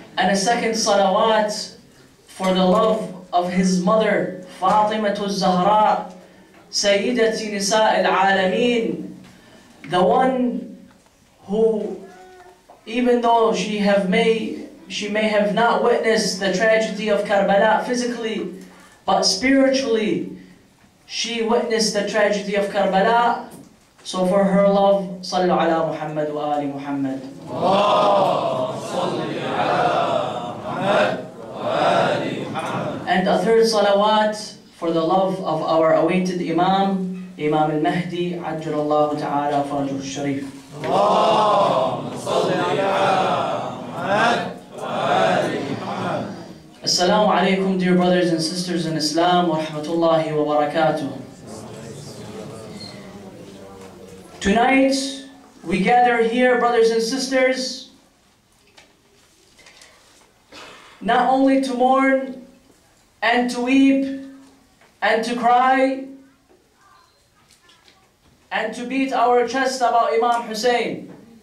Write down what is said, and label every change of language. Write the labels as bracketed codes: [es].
[en] And a second salawat for the love of his mother, Fatima al-Zahra, Sayyidati Nisa al-Alameen, the one who, even though she may have not witnessed the tragedy of Karbala physically, but spiritually, she witnessed the tragedy of Karbala. So for her love, [ar] sallu ala Muhammad wa Ali Muhammad. [en] And a third salawat for the love of our awaited Imam, [ar] إمام المهدي عجل الله تعالى فرجه الشريف. اللهم صل على محمد وآل محمد. السلام عليكم [en] dear brothers and sisters in Islam [ar] ورحمة الله وبركاته. [en] Tonight we gather here, brothers and sisters, not only to mourn and to weep and to cry and to beat our chest about Imam Hussein.